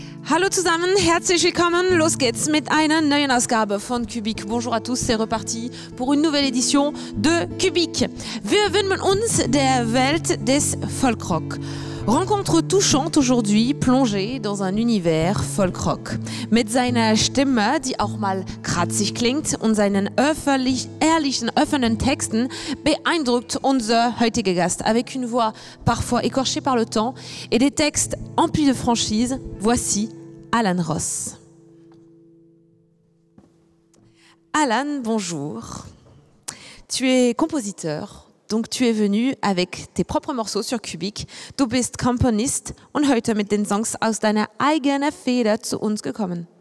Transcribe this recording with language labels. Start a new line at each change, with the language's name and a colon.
German: Hallo zusammen, herzlich willkommen. Los geht's mit einer neuen Ausgabe von Kubik.
French: Bonjour à tous, c'est reparti pour une nouvelle édition de Kubik.
German: Wir widmen uns der Welt des Folkrock.
French: Rencontre touchante aujourd'hui, plongée dans un univers Folkrock.
German: Mit seiner Stimme, die auch mal kratzig klingt, und seinen ehrlichen, offenen Texten beeindruckt unser heutiger Gast.
French: Avec une voix parfois écorchée par le temps et des textes emplis de franchise, voici Alan Ross. Alan, bonjour. Tu es compositeur. Donc tu es venu avec tes propres morceaux sur Kubik.
German: Du bist Komponist und heute mit den Songs aus deiner eigenen Feder zu uns gekommen.